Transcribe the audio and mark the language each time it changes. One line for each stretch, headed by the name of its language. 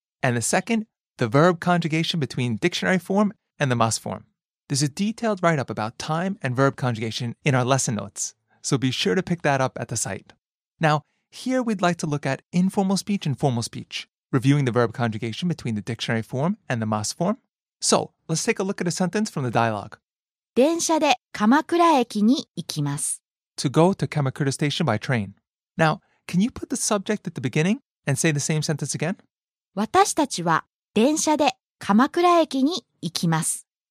English: And the second, the verb conjugation between dictionary form and the must form. There's a detailed write-up about time and verb conjugation in our lesson notes, so be sure to pick that up at the site. Now, here we'd like to look at informal speech and formal speech, reviewing the verb conjugation between the dictionary form and the must form. So, let's take a look at a sentence from the dialogue.
Japanese: 電車で鎌倉駅に行きます。
English: To go to Kamakura Station by train. Now, can you put the subject at the beginning and say the same sentence again?
Japanese: 私たちは電車で鎌倉駅に行きます。